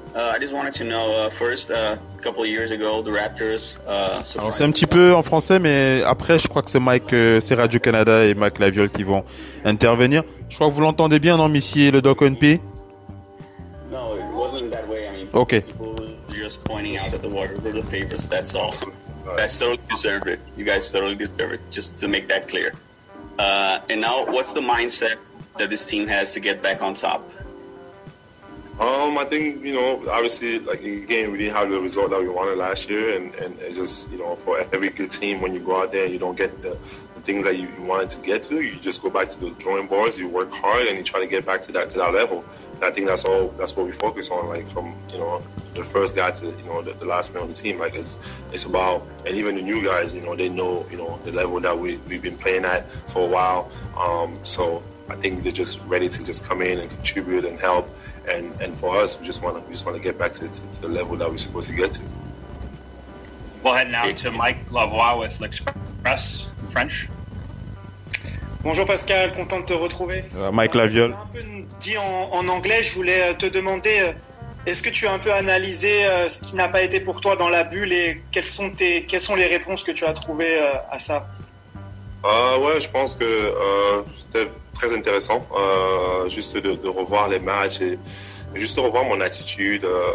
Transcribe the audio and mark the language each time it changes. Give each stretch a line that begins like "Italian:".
English: I just wanted to know first a couple of years ago the Raptors
French: Alors c'est un petit peu en français, mais après je crois que c'est Mike c'est Radio Canada et Mike Laviolle qui vont intervenir. Je crois que vous l'entendez bien, non, monsieur le Doc NP?
English: No, it wasn't that way. I mean, okay. People were just pointing out that the Warriors were the favorites, that's all. You guys totally deserve it. You guys totally deserve it, just to make that clear. And now what's the mindset that this team has to get back on top? I think, you know, obviously, like, again, we didn't have the result that we wanted last year. And it's just, you know, for every good team, when you go out there and you don't get the things that you wanted to get to, you just go back to the drawing boards, you work hard, and you try to get back to that level. And I think that's what we focus on, like, from, you know, the first guy to, you know, the last man on the team. Like, it's about, and even the new guys, you know, they know, you know, the level that we've been playing at for a while. So I think they're just ready to just come in and contribute and help. And for us, we just want to get back to the level that we're supposed to get to. We'll head now to Mike Lavoie with L'Express French.
French: Bonjour Pascal, content de te retrouver. Mike Laviolle. J'ai un peu dit en anglais, je voulais te demander, est-ce que tu as un peu analysé ce qui n'a pas été pour toi dans la bulle et quelles sont les réponses que tu as trouvées à ça? Ouais, je pense que c'était très intéressant, juste de revoir les matchs et juste revoir mon attitude.